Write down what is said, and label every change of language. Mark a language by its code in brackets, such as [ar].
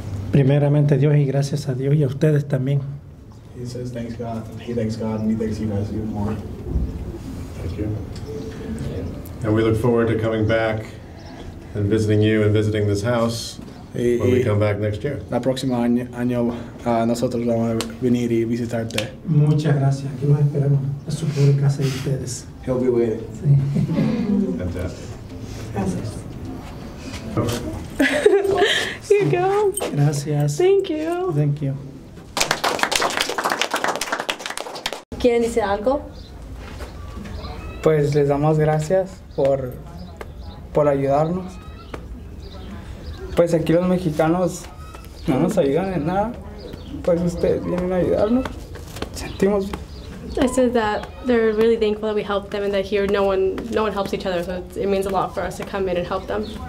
[es] Primeramente Dios y gracias a Dios y a ustedes también. [en] He says thanks God, and he thanks God, and he thanks you guys even more. Thank you. And we look forward to coming back and visiting you and visiting this house when we come back next year. [es] La próxima año nosotros vamos a venir y visitarte. Muchas gracias. Aquí nos esperamos a su pobre casa y ustedes. [en] He'll be waiting. Fantastic. Gracias. Here you go. [es] Gracias. [en] Thank you. Thank you. [es] ¿Quieren decir algo? Pues les damos gracias por ayudarnos. Pues aquí los mexicanos no nos ayudan en nada. Pues ustedes vienen a ayudarnos. Sentimos. [en] I said that they're really thankful that we helped them, and that here no one helps each other. So it means a lot for us to come in and help them.